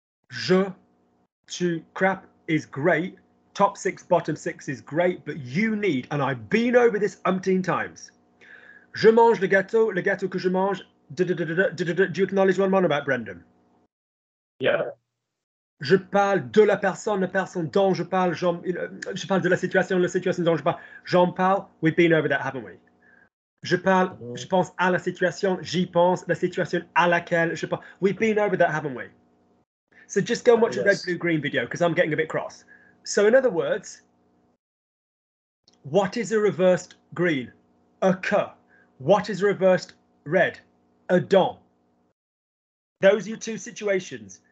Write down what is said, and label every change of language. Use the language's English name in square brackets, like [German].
[English] Je, tu, crap is great. Top six, bottom six is great, but you need, and I've been over this umpteen times. Je mange le gâteau que je mange. Do you acknowledge what I'm on about, Brendan? Yeah. [French] Je parle de la personne dont je parle, je parle de la situation dont je parle. [English] J'en parle, we've been over that, haven't we? [French] Je parle, mm-hmm. je pense à la situation, j'y pense, la situation à laquelle, je parle. [English] We've been over that, haven't we? So just go and watch yes. a red, blue, green video, because I'm getting a bit cross. So in other words, what is a reversed green? A que. What is a reversed red? A don. Those are your two situations.